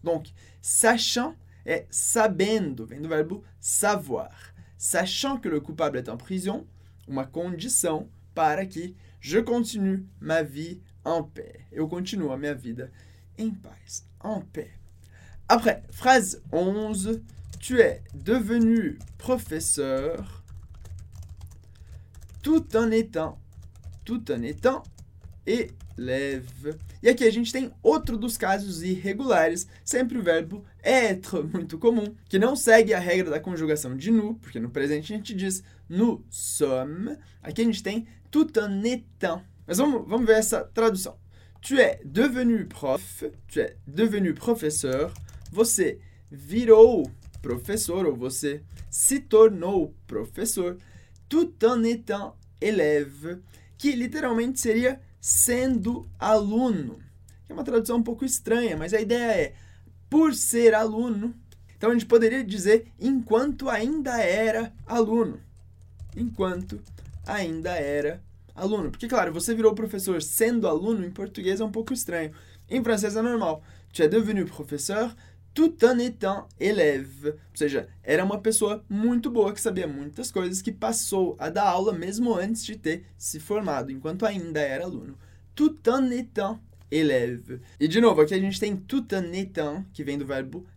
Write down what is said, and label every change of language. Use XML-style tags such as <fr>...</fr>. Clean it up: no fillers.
<pt>Donc, sachant é sabendo, vem do verbo savoir.</pt> <fr>Sachant que le coupable est en prison,</fr> <pt>uma condição para que</pt> <fr>je continue ma vie en paix.</fr> <pt>Eu continuo a minha vida em paz,</pt> <fr>en paix. Après, phrase 11. Tu es devenu professeur tout en étant élève.</fr> <pt>E aqui a gente tem outro dos casos irregulares, sempre o verbo être, muito comum, que não segue a regra da conjugação de nous, porque no presente a gente diz nous sommes. Aqui a gente tem tout en étant. Mas vamos ver essa tradução.</pt> <fr>Tu es devenu prof, tu es devenu professeur,</fr> <pt>você virou professor, ou você se tornou professor,</pt> <fr>tout en étant élève,</fr> <pt>que literalmente seria sendo aluno. É uma tradução um pouco estranha, mas a ideia é por ser aluno. Então a gente poderia dizer enquanto ainda era aluno. Enquanto ainda era aluno. Porque, claro, você virou professor sendo aluno, em português é um pouco estranho. Em francês é normal.</pt> <fr>Tu es devenu professeur tout en étant élève.</fr> <pt>Ou seja, era uma pessoa muito boa, que sabia muitas coisas, que passou a dar aula mesmo antes de ter se formado, enquanto ainda era aluno.</pt> <fr>Tout en étant élève.</fr> <pt>E, de novo, aqui a gente tem tout en étant, que vem do verbo</pt>